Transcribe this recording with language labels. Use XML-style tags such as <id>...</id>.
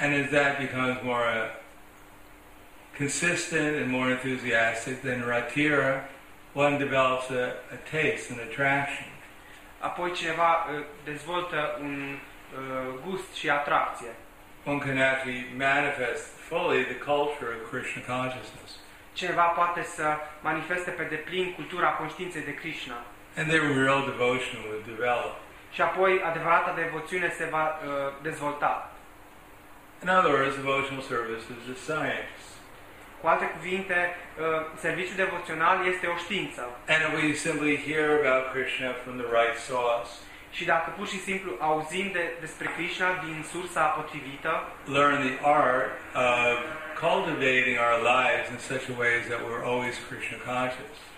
<en>And as that becomes more consistent and more enthusiastic, then ratira, one develops a taste, an attraction.</en> <ro>Apoi cineva dezvoltă un gust și atracție.</ro> <en>One can actually manifest fully the culture of Krishna consciousness.</en> <ro>Cineva poate să manifeste pe deplin cultura conștiinței de Krishna.</ro> <en>And then real devotion will develop.</en> <ro>Și apoi adevărata devoțiune se va dezvolta.</ro> <en>In other words, devotional service is a science.</en> <ro>Cu alte cuvinte, serviciul devoțional este o știință.</ro> <en>And if we simply hear about Krishna from the right source.</en> <ro>Și dacă pur și simplu auzim despre Krishna din sursa potrivită,</ro> <en>learn the art of cultivating our lives in such a way that we're always Krishna conscious.</en>